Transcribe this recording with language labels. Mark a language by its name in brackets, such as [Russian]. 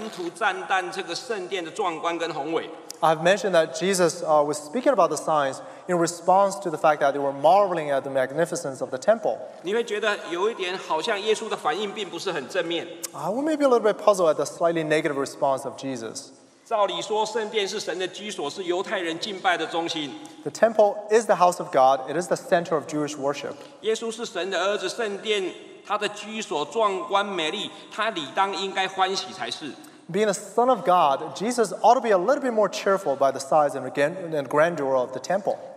[Chinese] 前面我已经提到耶稣讲论这个末日的预兆是因为他们从圣殿出来，门徒赞叹这个圣殿的壮观跟宏伟。 [English] I've mentioned that Jesus was speaking about the signs in response to the fact that they were marveling at the magnificence of the temple. [Chinese] 你会觉得有一点好像耶稣的反应并不是很正面。 [English] We may be a little bit puzzled at the slightly negative response of Jesus. [Chinese] 照理说，圣殿是神的居所，是犹太人敬拜的中心。 [English] The temple is the house of God. It is the center of Jewish worship. [Chinese] 耶稣是神的儿子，圣殿他的居所壮观美丽，他理当应该欢喜才是。 [English] Being a son of God, Jesus ought to be a little bit more cheerful by the size and grandeur of the temple.